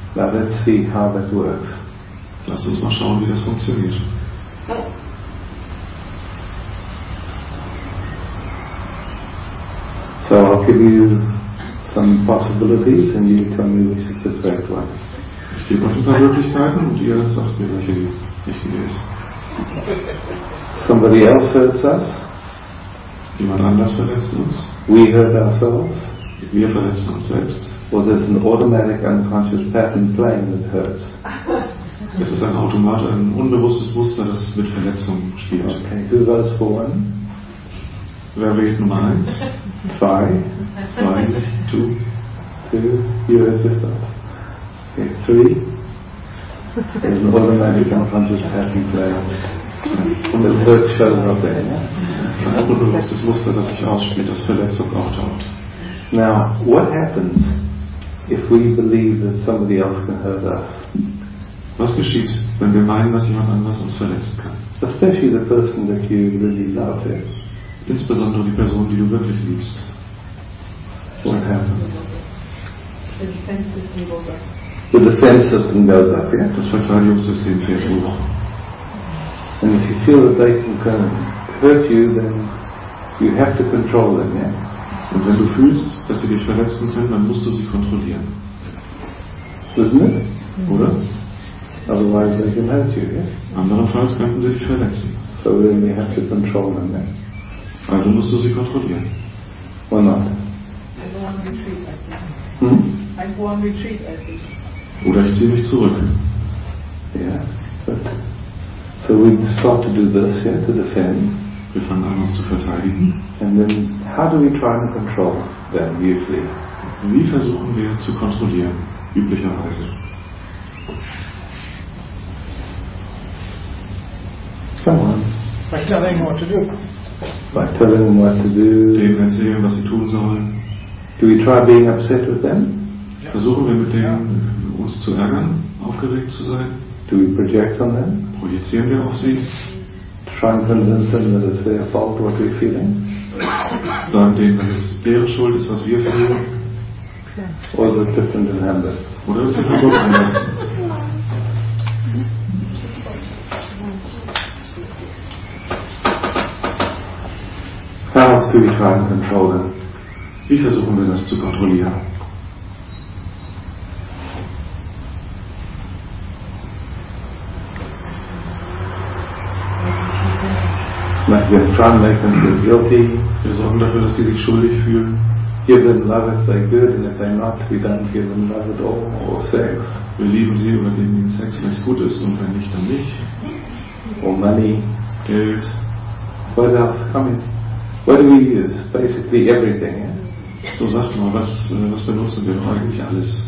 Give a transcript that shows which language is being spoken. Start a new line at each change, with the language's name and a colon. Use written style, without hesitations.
English: Now let's see how that works.
German: Lass uns mal schauen, wie das funktioniert.
English: So I'll give you some possibilities and you tell me which is the correct one.
German: Ich gebe euch ein paar Möglichkeiten und ihr sagt mir, welche die richtige ist.
English: Somebody else hurts us.
German: Jemand anders verletzt uns.
English: We hurt ourselves.
German: Wir verletzen uns selbst.
English: Or there's an automatic unconscious pattern playing that hurts.
German: Es ist ein Automat, ein unbewusstes Muster, das mit Verletzung spielt.
English: Okay, who votes for one?
German: Wer wählt Nummer 1?
English: 2. 2. 2. You have to stop. Okay, 3. There's an automatic unconscious pattern playing.
German: Und es wird schon auf der Ende. Es ist ein unbewusstes Muster, das sich ausspielt, das Verletzung auftaucht.
English: Now, what happens if we believe that somebody else can hurt us?
German: Was geschieht, wenn wir meinen, dass jemand anders uns verletzen kann?
English: Especially the person that you really love.
German: Insbesondere die Person, die du wirklich liebst.
English: What happens? The defense system goes up. The defense system goes up, yeah?
German: Das Verteidigungssystem fährt hoch.
English: And if you feel that they can kind of hurt you, then you have to control them, yeah?
German: Und wenn du fühlst, dass sie dich verletzen können, dann musst du sie kontrollieren.
English: Isn't it?
German: Oder?
English: Otherwise they can hurt you, yeah?
German: Andernfalls könnten sie dich verletzen.
English: So then you have to control them, yeah?
German: Also musst du sie kontrollieren.
English: Or not? I go on retreat, I think. I go on retreat, I think.
German: Oder ich ziehe mich zurück.
English: Yeah, but so we start to do this, yeah, to defend.
German: Wir fangen an, uns zu verteidigen.
English: And then, how do we try and control them, usually?
German: Wie versuchen wir zu kontrollieren, üblicherweise?
English: Come on. By telling them what to do. By telling them what to do.
German: Denen erzählen, was sie tun sollen.
English: Do we try being upset with them?
German: Ja. Versuchen wir mit denen uns zu ärgern, aufgeregt zu sein?
English: Do we project on them?
German: Projizieren wir auf sie?
English: Try and convince them that it's their fault what we're feeling?
German: Sagen denen, dass es deren Schuld ist, was wir fühlen?
English: Or is it different in Hamburg?
German: Oder ist es in Hamburg anders?
English: How else do we try and control them?
German: Wie versuchen wir das zu kontrollieren?
English: Wir try and make them feel guilty.
German: Wir sorgen dafür, dass sie sich schuldig fühlen.
English: Give them love if they're good, and if they're not, we don't give them love at all or sex.
German: Wir lieben sie oder geben ihnen Sex, wenn es gut ist, und wenn nicht, dann nicht.
English: Or money.
German: Geld.
English: What else? I mean, what do we use? Basically everything. Yeah?
German: So sagt man, was benutzen wir eigentlich alles?